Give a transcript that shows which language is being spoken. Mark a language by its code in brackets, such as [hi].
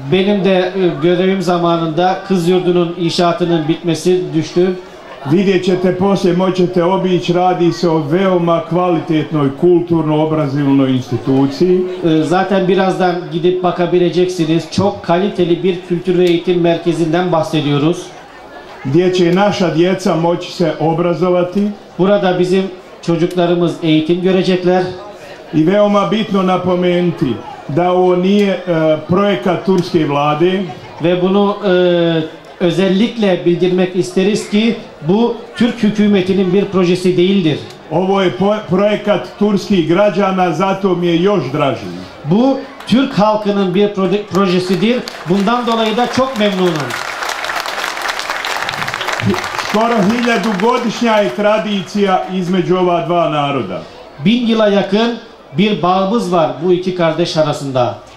[tr] Benim de görevim zamanında kız yurdunun inşaatının bitmesi düştü. [bs] Vidjet ćete poslije, moćete obići, radi se o veoma kvalitetnoj kulturno-obrazivnoj instituciji. [tr] Zaten birazdan gidip bakabileceksiniz, çok kaliteli bir kültür ve eğitim merkezinden bahsediyoruz. [bs] Gdje će naša djeca moći se obrazovati. [tr] Burada bizim çocuklarımız eğitim görecekler. [bs] I veoma bitno napomenuti da ovo nije projekat Turske vlade. [tr] Ve bunu özellikle bildirmek isteriz ki bu Türk hükümetinin bir projesi değildir. [bs] Ovo je projekat turskih građana, zato mi je još draži. [tr] Bu Türk halkının bir projesidir. Bundan dolayı da çok memnunum. [bs] Skoro 1000 godišnja je tradicija između ova dva naroda. [tr] 1000 yıla yakın bir bağımız var bu iki kardeş arasında.